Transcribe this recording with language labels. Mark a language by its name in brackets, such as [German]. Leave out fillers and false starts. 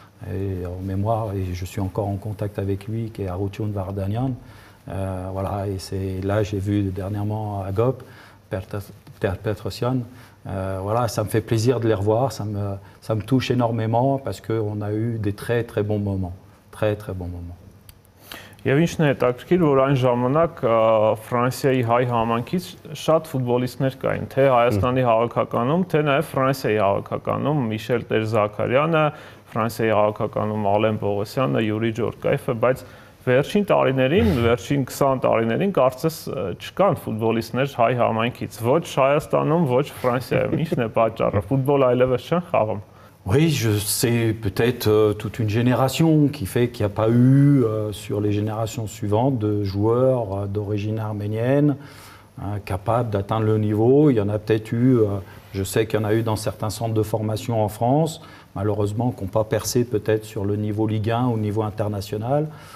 [French] Et en mémoire, et je suis encore en contact avec lui, qui est Arutyun Vardanyan. Voilà, et c'est là j'ai vu dernièrement Agop, Petrosyan. Voilà, ça me fait plaisir de les revoir, ça me touche énormément, parce qu'on a eu des très très bons moments, très très bons moments. [Armenian] Եվ ինչն է հետաքրքիր, որ այն ժամանակ Ֆրանսիայի հայ համանքից շատ ֆուտբոլիստներ կային, թե Հայաստանի հավաքականում, թե նաև Ֆրանսիայի հավաքականում, Միշել Տերզաքարյանը, Ֆրանսիայի հավաքականում Ալեն Պողոսյանը, Յուրի Ջորկայֆը, բայց վերջին տարիներին, վերջին 20 տարիներին կարծես չկան ֆուտբոլիստներ հայ համանքից, ոչ Հայաստանում, ոչ Ֆրանսիայում, ինչն է պատճառը, ֆուտբոլ այլևս չեն խաղում։ [French] Oui, c'est peut-être toute une génération qui fait qu'il n'y a pas eu, sur les générations suivantes, de joueurs d'origine arménienne capables d'atteindre le niveau. Il y en a peut-être eu, je sais qu'il y en a eu dans certains centres de formation en France, malheureusement, qui n'ont pas percé peut-être sur le niveau Ligue 1 ou au niveau international.